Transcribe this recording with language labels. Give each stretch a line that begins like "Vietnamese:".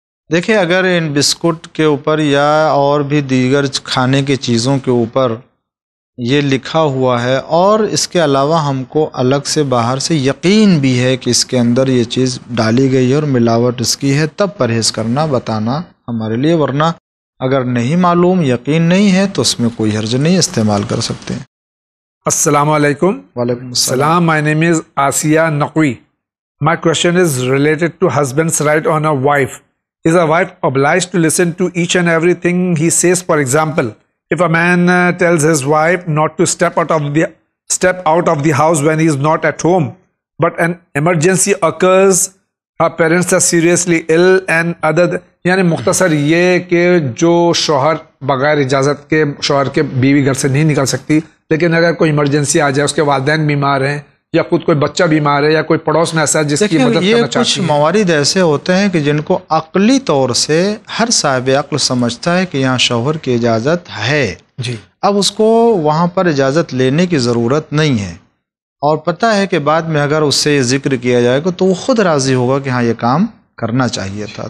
Urdu: دیکھیں، اگر ان بسکٹ کے اوپر یا اور بھی دیگر کھانے کی چیزوں کے اوپر یہ لکھا ہوا ہے، اور اس کے علاوہ ہم کو الگ سے باہر سے یقین بھی ہے کہ اس کے اندر یہ چیز ڈالی گئی ہے اور ملاوٹ اس کی ہے، تب پرہیز کرنا بتانا ہمارے لیے، ورنہ اگر نہیں معلوم، یقین نہیں ہے، تو اس میں کوئی حرج نہیں، استعمال کر سکتے ہیں. السلام علیکم. وعلیکم السلام.
English: My name is Asiya Naqvi. My question is related to husband's right on a wife. Is a wife obliged to listen to each and everything he says? For example, if a man tells his wife not to step out of the house when he is not at home, but an emergency occurs, her parents are seriously ill and other, yani mukhtasar ye ke jo shohar bagair ijazat ke shohar ke biwi ghar se nahi nikal sakti, lekin agar koi emergency aa jaye, uske walidain bimar hain یا خود کوئی بچہ بیمار ہے یا کوئی پڑوس میں ایسا ہے جس کی مدد کرنا چاہتا ہے.
Urdu: کچھ موارد ایسے ہوتے ہیں کہ جن کو عقلی طور سے ہر صاحب عقل سمجھتا ہے کہ یہاں شوہر کی اجازت ہے جی، اب اس کو وہاں پر اجازت لینے کی ضرورت نہیں ہے، اور پتہ ہے کہ بعد میں اگر اس سے یہ ذکر کیا جائے گا تو وہ خود راضی ہوگا کہ ہاں یہ کام کرنا چاہیے تھا.